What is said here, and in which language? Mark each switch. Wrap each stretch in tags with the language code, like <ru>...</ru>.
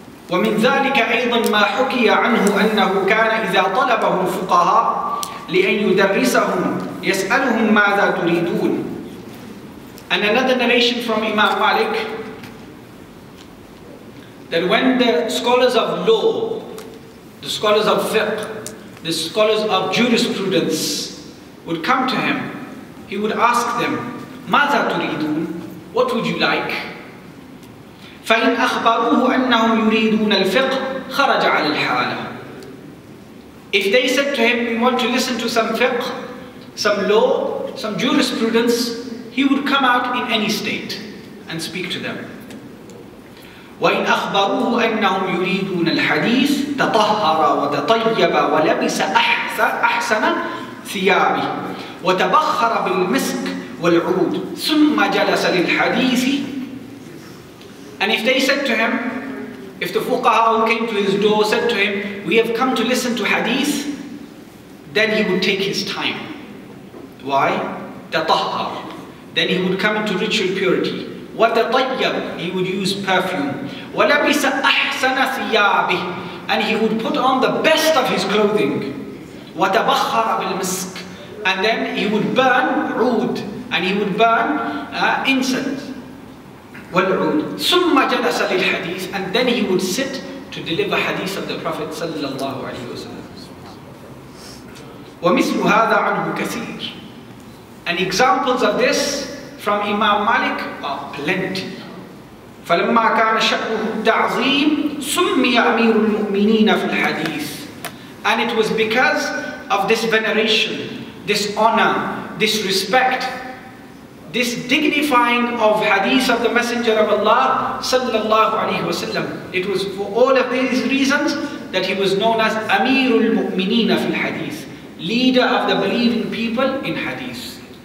<ar>ومن ذلك أيضا ما حكي عنه أنه كان إذا طلبه الفقهاء لأن يدرسهم يسألهم ماذا تريدون.</ar> <en>And another narration from Imam Malik that when the scholars of law, the scholars of fiqh, the scholars of jurisprudence would come to him, he would ask them,</en> <ar>ماذا تريدون?</ar> <en>What would you like?</en> <ar>فَإِنْ أَخْبَرُوهُ أَنَّهُمْ يُرِيدُونَ الْفِقْهِ خَرَجَ عَلَى الْحَالَةِ.</ar> <en>If they said to him, we want to listen to some fiqh, some law, some jurisprudence, he would come out in any state and speak to them.</en> <ar>وَإِنْ أَخْبَرُوهُ أَنَّهُمْ يُرِيدُونَ الْحَدِيثِ تَطَهَّرَ وَتَطَيَّبَ وَلَبِسَ أَحْسَنَ ثيابه وتبخر بالمسك والعود ثم جلس للحديث.</ar> <en>And if they said to him, if the fuqaha who came to his door said to him, we have come to listen to hadith, then he would take his time. Why?</en> <ar>تطهر.</ar> <en>Then he would come into ritual purity.</en> <ar>وتطيب.</ar> <en>He would use perfume.</en> <ar>ولبس أحسن ثيابه.</ar> <en>And he would put on the best of his clothing.</en> <ar>وتبخر بالمسك.</ar> <en>And then he would burn عود, and he would burn incense والعود.</en> <ar>ثم جلس للحديث.</ar> <en>And then he would sit to deliver hadith of the Prophet sallallahu alaihi wasallam.</en> <ar>ومثل هذا عنه كثير.</ar> <en>And examples of this from Imam Malik are plenty.</en> <ar>فلما كان شأنه التعظيم سمي أمير المؤمنين في الحديث.</ar> <en>And it was because of this veneration, this honor, this respect, this dignifying of hadith of the Messenger of Allah sallallahu alaihi wasallam. It was for all of these reasons that he was known as Amirul Mu'mineen fil Hadith, leader of the believing people in hadith.</en>